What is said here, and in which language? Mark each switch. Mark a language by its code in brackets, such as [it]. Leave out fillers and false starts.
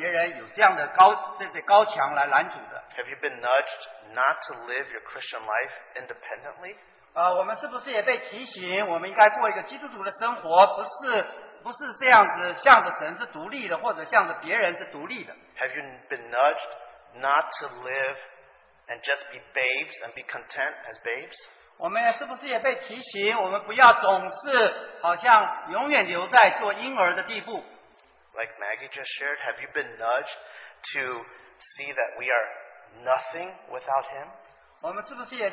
[zh] 所以感谢主何等的奇妙，今天主就借着这些交通来提醒我们，我们实在不应该跟别人有这样的高墙来拦阻的。 [en] Have you been nudged not to live your Christian life independently? [zh] 我们是不是也被提醒，我们应该过一个基督徒的生活，不是这样子向着神是独立的，或者向着别人是独立的？ [en] Have you been nudged not to live and just be babes and be content as babes? [zh] 我们是不是也被提醒，我们不要总是好像永远留在做婴儿的地步？ [en] Like Maggie just shared, have you been nudged to see that we are nothing without Him?